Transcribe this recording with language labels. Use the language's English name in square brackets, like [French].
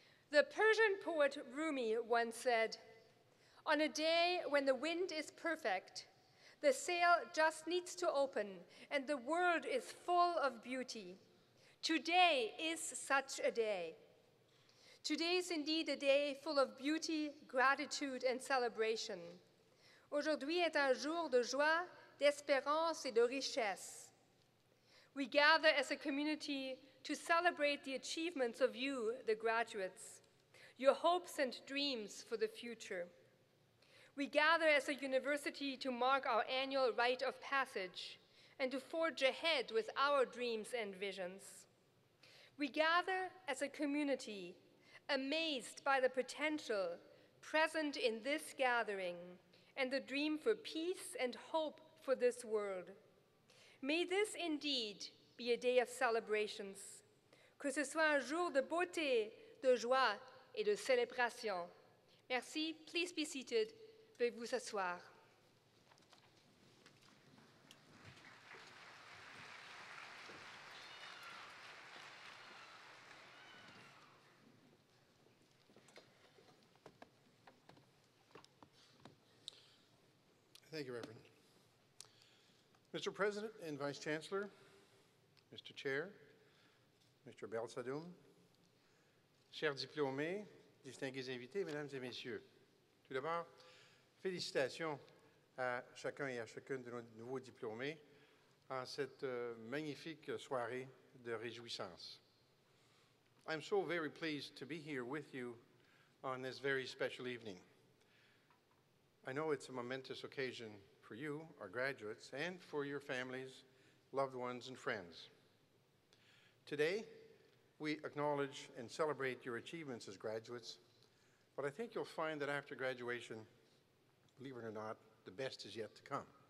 [English] The Persian poet Rumi once said, "On a day when the wind is perfect, the sail just needs to open and the world is full of beauty. Today is such a day." Today is indeed a day full of beauty, gratitude, and celebration. [French] Aujourd'hui est un jour de joie, d'espérance, et de richesse. [English] We gather as a community to celebrate the achievements of you, the graduates, your hopes and dreams for the future. We gather as a university to mark our annual rite of passage and to forge ahead with our dreams and visions. We gather as a community amazed by the potential present in this gathering and the dream for peace and hope for this world. May this indeed be a day of celebrations. [French] Que ce soit un jour de beauté, de joie et de célébration. Merci. [English] Please be seated. [French] Veuillez vous asseoir. [English] Thank you, Reverend. Mr. President and Vice Chancellor, Mr. Chair, Mr. [French] Belsadoum, chers diplômés, distingués invités, mesdames et messieurs. Tout d'abord, félicitations à chacun et à chacune de nos nouveaux diplômés en cette magnifique soirée de réjouissance. [English] I'm so very pleased to be here with you on this very special evening. I know it's a momentous occasion for you, our graduates, and for your families, loved ones, and friends. Today, we acknowledge and celebrate your achievements as graduates, but I think you'll find that after graduation, believe it or not, the best is yet to come.